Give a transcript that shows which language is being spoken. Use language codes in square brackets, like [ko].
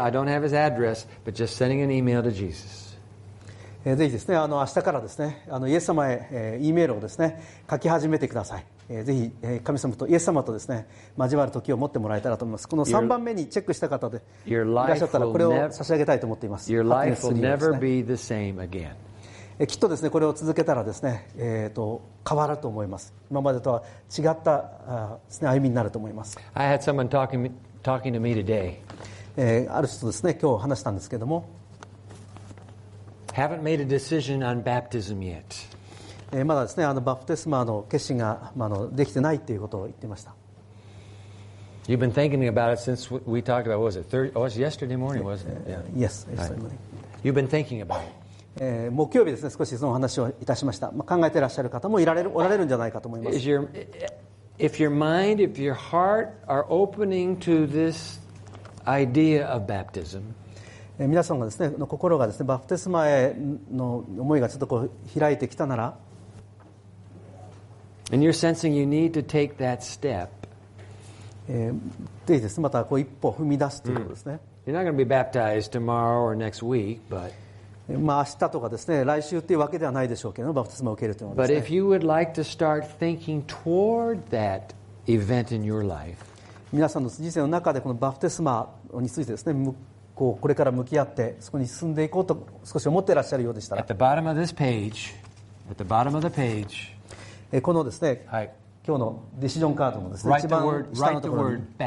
[en] I don't have his address, but just sending an email to Jesus. [ja] ぜひですね、明日からですね、イエス様へ、E メールをですね、書き始めてください。ぜひ、神様とイエス様とですね、交わる時を持ってもらえたらと思います。この3番目にチェックした方でいらっしゃったら、これを差し上げたいと思っています。 [en] Your life will never be the same again. [ja] きっとですね、これを続けたらですね、変わると思います。今までとは違ったですね、歩みになると思います。 [en] I had someone talking to me today. [ja] ある人とですね、今日話したんですけども、 [en] haven't made a decision on baptism yet. [ja] まだですね、バプテスマの決心が、できてないということを言ってました。 [en] You've been thinking about it since we talked about, what was it? Oh, it was yesterday morning, wasn't it? Yeah. Yes, yesterday morning. You've been thinking about it. [ja] 木曜日ですね、少しその話をいたしました。まあ、考えていらっしゃる方もおられるんじゃないかと思います。 [en] If your mind, if your heart are opening to this idea of baptism, [ja] 皆さんがですね、心がですね、バプテスマへの思いがちょっとこう開いてきたなら、 [en] and you're sensing you need to take that step, [ja] ぜひですね、またこう一歩踏み出すということですね。 [en] You're not going to be baptized tomorrow or next week, but [ja] まあ、明日とかですね、来週というわけではないでしょうけど、バプテスマを受けるというのはです [en] ね。But if you would like to start thinking toward that event in your life, [ja] 皆さんの人生の中でこのバプテスマについてですね、これから向き合ってそこに進んでいこうと少し思っていらっしゃるようでしたら、 [en] at the bottom of this page, at the bottom of the page, [ja] このですね、はい、今日のディシジョンカードのですね、一番下のところに